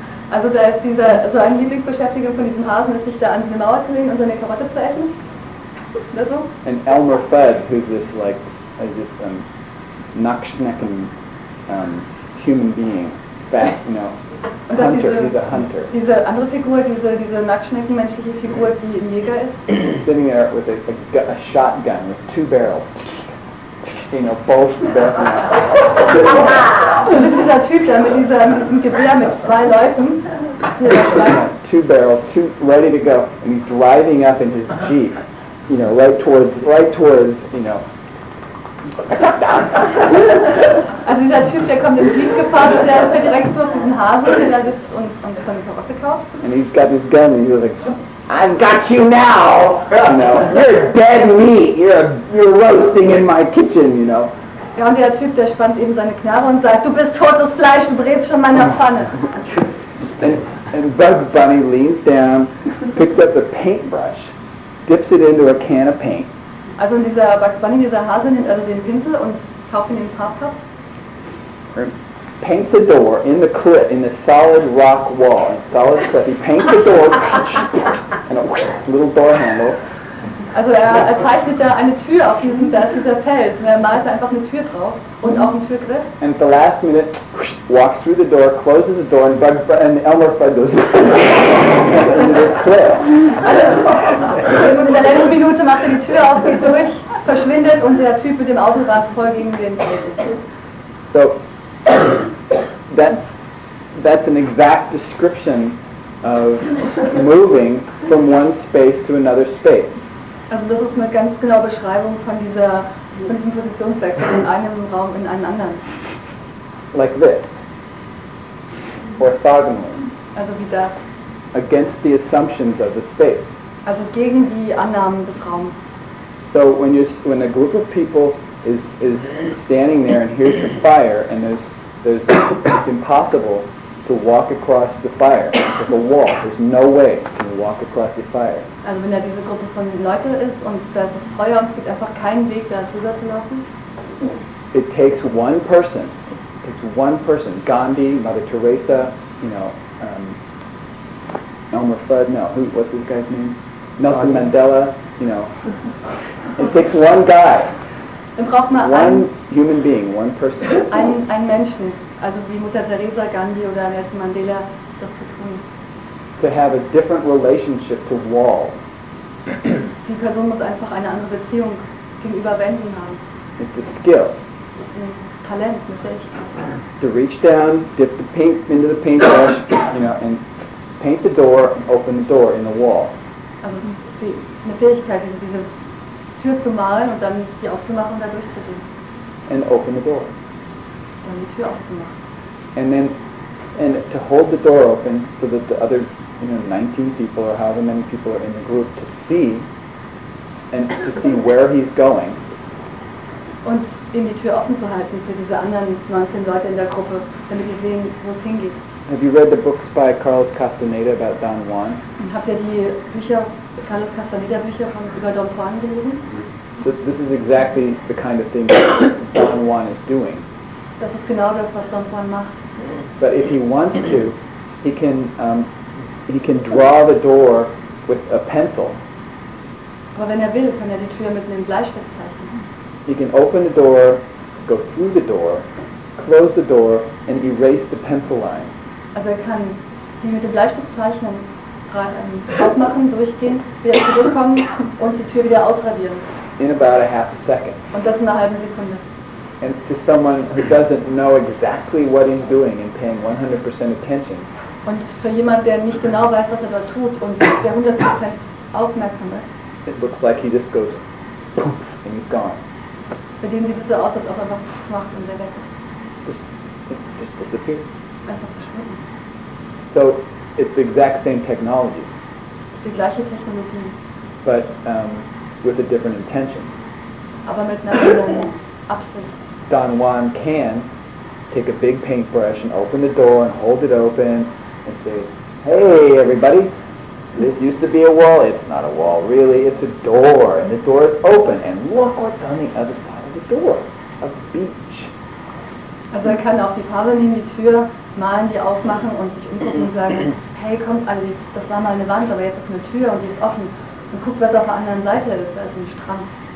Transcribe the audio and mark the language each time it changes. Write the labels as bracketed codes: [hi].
[de] Also da ist dieser, so ein Lieblingsbeschäftiger von diesem Hasen, ist sich da an die Mauer zu legen und seine Karotte zu essen. Oder so? [en] And Elmer Fudd, who's this like, just a knuckschnecken human being, fat, you know. [de] Und [en] Hunter, [de] diese, [en] he's a hunter. [de] Diese andere Figur, diese nackschneckenmenschliche Figur, die ein Jäger ist. [en] Sitting there with a shotgun with two barrels. You know, both barrels. [de] Und dieser Typ da mit diesem Gewehr mit zwei Leuten. [en] Two barrels, two ready to go. And he's driving up in his Jeep, you know, right towards, you know. [de] Also dieser Typ, der kommt im Jeep gefahren und der fährt direkt so auf diesen Hasen, der da sitzt und von der Karotte kauft. [en] And he's got his gun and he's like, I've got you now! You know, you're dead meat! You're roasting in my kitchen, you know. [de] Ja, und der Typ, der spannt eben seine Knarre und sagt, du bist totes Fleisch, du brätst schon meiner Pfanne. [en] And Bugs Bunny leans down, picks up the paintbrush, dips it into a can of paint. [de] Also dieser Bugs Bunny, dieser Hase, nimmt also den Pinsel und taucht in den Farbtopf. [en] Paints a door in the cliff, in the solid rock wall, in solid cliff. He paints a door and a little door handle. [de] Also er zeichnet da eine Tür auf diesem, da ist dieser Fels und er malt da einfach eine Tür drauf und auch einen Türgriff. [en] And at the last minute, walks through the door, closes the door, and Bugs Bunny and Elmer Fudd goes into this cliff. [de] Also, in der letzten Minute macht er die Tür auf, geht durch, verschwindet und der Typ mit dem Auto rast voll gegen den Fels. [en] So. That's an exact description of moving from one space to another space. [de] Also das ist eine ganz genaue Beschreibung von diesem Positionswechsel von einem Raum in einen anderen. [en] Like this. Orthogonally. [de] Also wie das. [en] Against the assumptions of the space. [de] Also gegen die Annahmen des Raums. [en] So when a group of people is standing there and hears the fire and there's it's impossible to walk across the fire with a wall. There's no way to walk across the fire. [de] Also wenn da diese Gruppe von Leuten ist und da ist das Feuer und es gibt einfach keinen Weg da drüber zu laufen. [en] It takes one person. It's one person. Gandhi, Mother Teresa, you know, Elmer Fudd. No, what's this guy's name? Nelson Gandhi. Mandela. You know, it takes one guy. One human being, one person. [de] Ein Menschen, also wie Mutter Teresa, Gandhi oder Nelson Mandela, das zu tun. [en] To have a different relationship to walls. [de] Die Person muss einfach eine andere Beziehung gegenüber Wänden haben. [en] It's a skill. [de] Das ist ein Talent, eine Fähigkeit. [en] To reach down, dip the paint into the paintbrush, you know, and paint the door and open the door in the wall. [de] Also es ist eine Fähigkeit, diese Tür zu malen und dann die aufzumachen und da durchzugehen. [en] And open the door. [de] Dann die Tür aufzumachen. [en] And to hold the door open so that the other, you know, 19 people or however many people are in the group to see and to see where he's going. [de] Und eben die Tür offen zu halten für diese anderen 19 Leute in der Gruppe, damit die sehen, wo es hingeht. [en] Have you read the books by Carlos Castaneda about Don Juan? [de] Und habt ihr die Bücher, Carlos Castaneda Bücher von über Don Juan gelesen? [en] So this is exactly the kind of thing that Don Juan is doing. [de] Das ist genau das, was Don Juan macht. [en] But if he wants to, he can draw the door with a pencil. [de] Aber wenn er will, kann er die Tür mit einem Bleistift zeichnen. [en] He can open the door, go through the door, close the door, and erase the pencil lines. [de] Also er kann die mit dem Bleistift zeichnen, aufmachen, durchgehen, wieder zurückkommen und die Tür wieder ausradieren. [en] In about a half a second. [de] Und das in einer halben Sekunde. [en] And to someone who doesn't know exactly what he's doing and paying 100% attention. [de] Und für jemand, der nicht genau weiß, was er da tut und der 100% aufmerksam ist. [en] It looks like he just goes Poof, and he's gone. [de] Bei dem sieht es so aus, als ob er was macht und der weg ist. [en] Just disappears. [de] Einfach verschwunden. [en] So, it's the exact same technology. [de] Die gleiche Technologie. [en] But with a different intention. [de] Aber mit einer anderen Absicht. [en] Don Juan can take a big paintbrush and open the door and hold it open and say, hey everybody, this used to be a wall. It's not a wall really, it's a door, and the door is open, and look what's on the other side of the door, a beach. [de] Also er kann auch die Farbe nehmen, die Tür malen, die aufmachen und sich umgucken und sagen, hey kommt alle, das war mal eine Wand, aber jetzt ist eine Tür und die ist offen, und guck was auf der anderen Seite ist, da ist ein Strand.